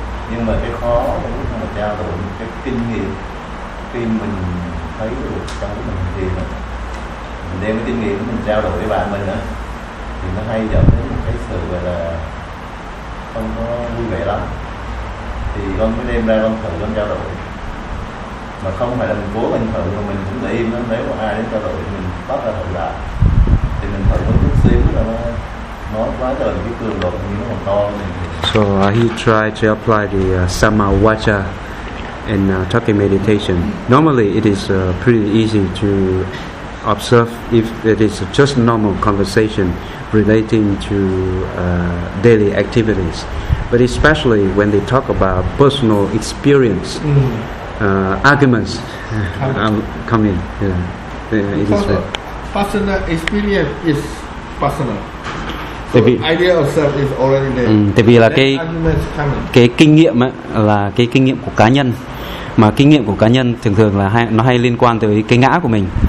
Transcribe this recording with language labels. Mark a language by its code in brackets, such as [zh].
[vi] Nhưng mà cái khó là lúc mà trao đổi cái kinh nghiệm, khi mình thấy được trong mình thì mình đem cái kinh nghiệm mình trao đổi với bạn mình á, thì nó hay dẫn đến một cái sự gọi là không có vui vẻ lắm. Thì con mới đem ra con thử con trao đổi, mà không phải là mình cố mình thử mà mình cũng để im đó. Nếu mà ai đến trao đổi thì mình bắt ra thử lại, thì mình thử một chút xíu là nó quá trời cái cường độ như nó còn to mình. [en] So he tried to apply the Samavacca in talking meditation. Normally it is pretty easy to observe if it is just normal conversation relating to daily activities. But especially when they talk about personal experience, arguments come in. Yeah. It is personal experience is personal. So vì, idea of self is already there. [vi] Tại vì là cái kinh nghiệm ấy, là cái kinh nghiệm của cá nhân. Mà kinh nghiệm của cá nhân thường thường là nó hay liên quan tới cái ngã của mình.